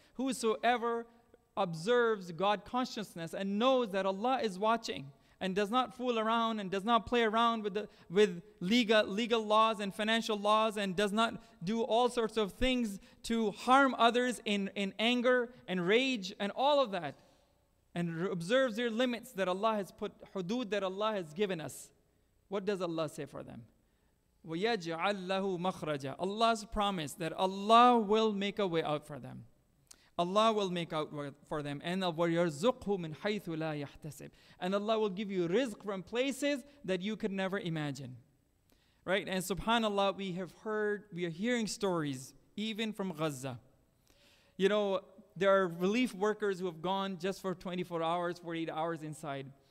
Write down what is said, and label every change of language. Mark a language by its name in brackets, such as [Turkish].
[English] Whosoever observes God consciousness and knows that Allah is watching and does not fool around and does not play around with legal laws and financial laws and does not do all sorts of things to harm others in anger and rage and all of that, and observes their limits that Allah has put, hudud that Allah has given us, what does Allah say for them? [Arabic] وَيَجْعَلْ لَهُ مَخْرَجًا. [English] Allah's promise that Allah will make a way out for them. Allah will make out for them. And [Arabic] وَيَرْزُقْهُ مِنْ حَيْثُ لَا يَحْتَسِبْ. [English] And Allah will give you rizq from places that you could never imagine. Right? And subhanAllah, we are hearing stories, even from Gaza. You know, there are relief workers who have gone just for 24 hours, 48 hours inside.